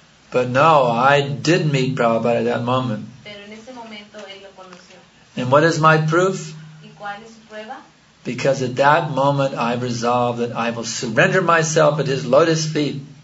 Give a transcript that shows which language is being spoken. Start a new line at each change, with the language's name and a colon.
English: But no, I did meet Prabhupada at that moment.
Spanish: Pero en ese momento él lo conoció.
English: And what is my proof?
Spanish: ¿Y cuál es su prueba?
English: Because at that moment I resolved that I will surrender myself at his lotus feet.